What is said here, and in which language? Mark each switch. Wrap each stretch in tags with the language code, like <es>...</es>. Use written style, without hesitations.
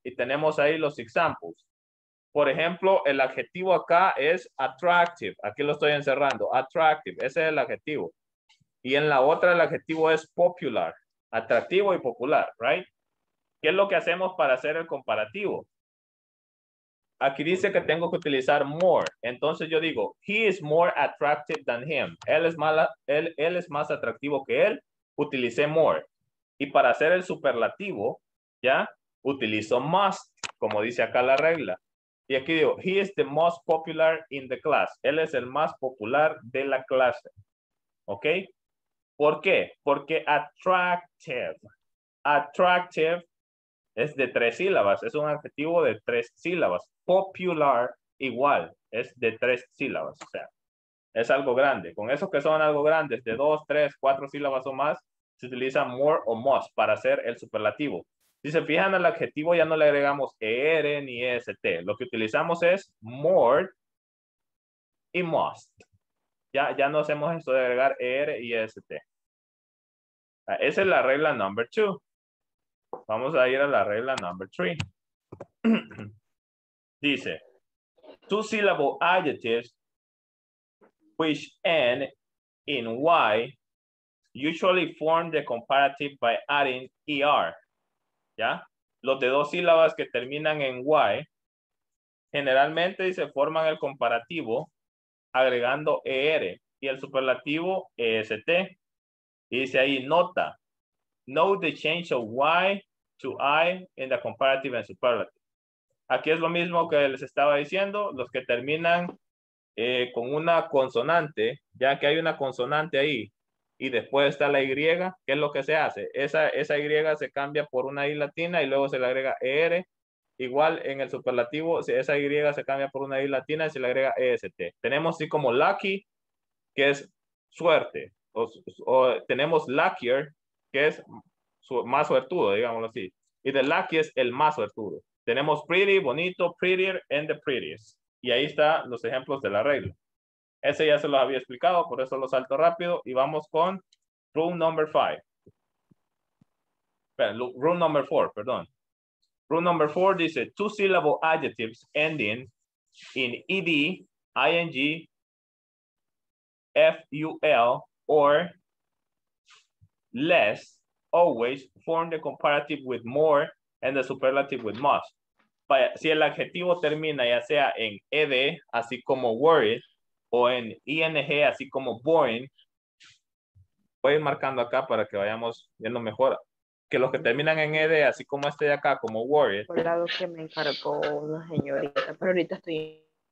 <es>Y tenemos ahí los examples. Por ejemplo, el adjetivo acá es attractive. Aquí lo estoy encerrando. Attractive, ese es el adjetivo. Y en la otra el adjetivo es popular. Atractivo y popular, right? ¿Qué es lo que hacemos para hacer el comparativo? Aquí dice que tengo que utilizar more.</es> <en>Entonces yo digo, he is more attractive than him.</en> <es>Él es más atractivo que él. Utilicé more. Y para hacer el superlativo, ¿ya? Utilizo must, como dice acá la regla.</es> <en>Y aquí digo, he is the most popular in the class.</en> <es>Él es el más popular de la clase. ¿Ok? ¿Por qué? Porque attractive.</es> <en>Attractive.</en> <es>Es de tres sílabas, es un adjetivo de tres sílabas. Popular, igual, es de tres sílabas. O sea, es algo grande. Con esos que son algo grandes, de dos, tres, cuatro sílabas o más, se utiliza more o must para hacer el superlativo. Si se fijan al adjetivo, ya no le agregamos er ni est. Lo que utilizamos es more y must. Ya no hacemos esto de agregar er y est. Esa es la regla</es> <en>number two.</en> <es>Vamos a ir a la regla</es> <en>number three. Dice, two syllable adjectives which end in Y usually form the comparative by adding ER.</en> <es>¿Ya? Los de dos sílabas que terminan en Y generalmente se forman el comparativo agregando ER y el superlativo EST. Y dice ahí, nota,</es> <en>note the change of Y to I in the comparative and superlative.</en> <es>Aquí es lo mismo que les estaba diciendo, los que terminan con una consonante, ya que hay una consonante ahí, y después está la Y, ¿qué es lo que se hace? Esa Y se cambia por una I latina y luego se le agrega ER. Igual en el superlativo, si esa Y se cambia por una I latina y se le agrega EST. Tenemos así como lucky, que es suerte, o tenemos luckier, que es más suertudo, digámoslo así. Y the lucky es el más suertudo. Tenemos pretty, bonito,</es> <en>prettier, and the prettiest.</en> <es>Y ahí están los ejemplos de la regla. Ese ya se los había explicado, por eso lo salto rápido. Y vamos con</es> <en>rule number five. Rule number four,</en> <es>perdón.</es> <en>Rule number four dice, two-syllable adjectives ending in ed, ing, ful, or less, always form the comparative with more and the superlative with must.</en> <es>Si el adjetivo termina ya sea en ed, así como worried, o en ing, así como boring, voy a ir marcando acá para que vayamos viendo mejor. Que los que terminan en ed, así como este de acá, como worried. Por el lado que me encargó una señorita, pero ahorita estoy...</es>